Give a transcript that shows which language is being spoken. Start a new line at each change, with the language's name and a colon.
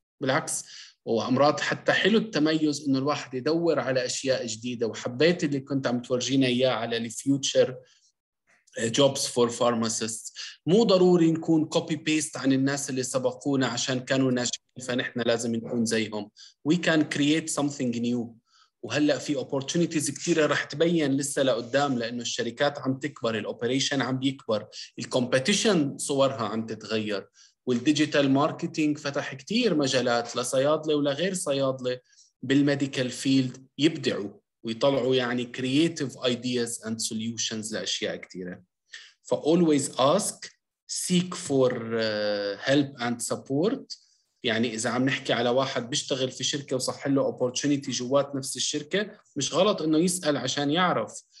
Arabic: بالعكس هو امراض حتى حلو التميز انه الواحد يدور على اشياء جديده، وحبيت اللي كنت عم تورجينا اياه على الفيوتشر
English: jobs for pharmacists.
Arabic: مو ضروري نكون
English: copy paste
Arabic: عن الناس اللي سبقونا عشان كانوا ناجحين فنحن لازم نكون زيهم.
English: We can create something new.
Arabic: وهلأ في opportunities كتيرة رح تبين لسه لقدام لأنه الشركات عم تكبر، الoperation عم بيكبر، الcompetition صورها عم تتغير، والديجيتال ماركتينج فتح كتير مجالات لصيادلة ولغير صيادلة بالميديكال فيلد يبدعوا ويطلعوا يعني
English: creative ideas and solutions
Arabic: لأشياء كثيرة.
English: فalways ask, seek for help and support.
Arabic: يعني إذا عم نحكي على واحد بيشتغل في شركة وصح له opportunity جوات نفس الشركة، مش غلط إنه يسأل عشان يعرف.